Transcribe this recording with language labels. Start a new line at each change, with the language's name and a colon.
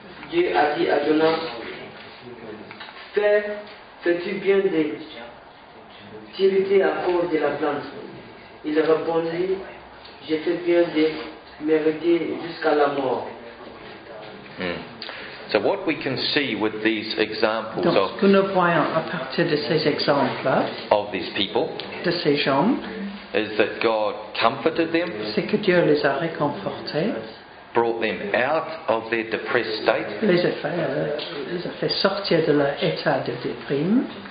French: Dieu a dit à Jonas, fais-tu bien de t'irriter à cause de la plante? Il répondit, je fais bien de m'irriter jusqu'à la mort.
English: So what we can see with these examples
French: donc, ce que nous voyons à partir de ces exemples
English: of these people,
French: de ces gens,
English: is that God comforted them,
French: c'est que Dieu les a réconfortés,
English: brought them out of their depressed state,
French: les a fait sortir de leur état de déprime.